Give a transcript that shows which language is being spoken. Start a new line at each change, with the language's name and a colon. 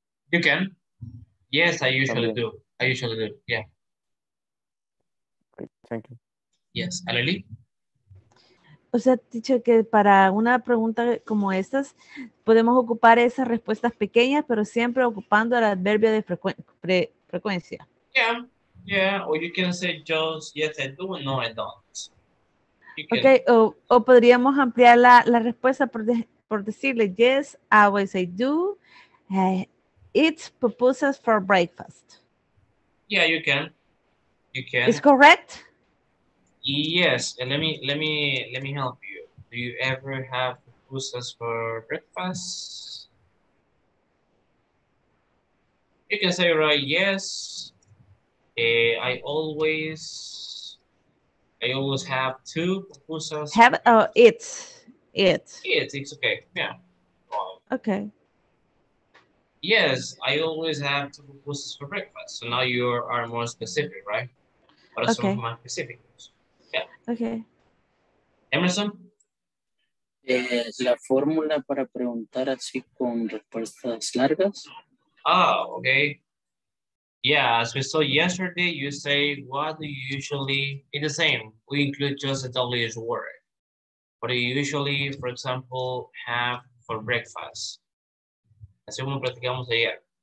English: You can. Yes, I usually
Spanish: También.
English: Do. I usually do. Yeah. Thank you. Yes, Aleli.
Spanish: O sea, teacher, que para una pregunta como estas podemos ocupar esas respuestas pequeñas, pero siempre ocupando el adverbio de frecuencia.
English: Yeah. Yeah, or you can say just yes, I do, and no, I don't. Can, okay,
Spanish: o podríamos ampliar la respuesta por decirle
English: yes, I always say do, eat pupusas for breakfast. Yeah, you can. You can. Is correct? Yes, and let me help you. Do you ever have pupusas for breakfast? You can say right, yes. I always have two pupusas. Have or eat. it. It, it's okay, yeah. Okay. Yes, I always have two pupusas for breakfast. So now you are more specific, right? What are some of my specific ones? Yeah. Okay. Emerson?
Spanish: La fórmula para preguntar así con respuestas largas.
English: Oh, okay. Yeah, as we saw yesterday, you say, what do you usually, in the same, we include just a WH word. What do you usually, for example, have for breakfast?
Spanish: Así como practicamos ayer.